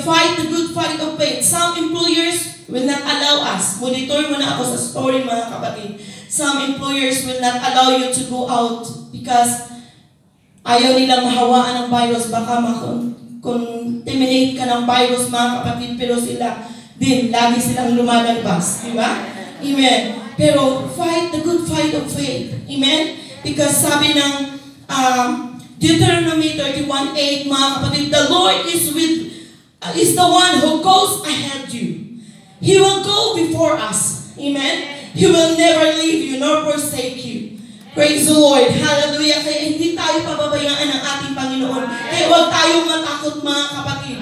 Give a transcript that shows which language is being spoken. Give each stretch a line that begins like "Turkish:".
English: Fight the good fight of faith. Some employers will not allow us.
Filipino: Monitor mo na ako sa story, mga kapatid.
English: Some employers will not allow you to go out because
Filipino: ayaw nilang mahawaan ng virus. Baka makontaminate ka ng virus, mga kapatid. Pero sila din, lagi silang lumalagpas. Di ba? Amen. Pero
English: fight the good fight of faith. Amen. Because
Filipino: sabi ng
English: Deuteronomy 31:8,
Filipino: mga kapatid,
English: the Lord is the one who goes ahead of you. He will go before us. Amen. He will never leave you nor forsake you. Praise the Lord. Hallelujah.
Filipino: Kaya hindi tayo pababayaan ng ating Panginoon. Kaya huwag tayong matakot, mga kapatid.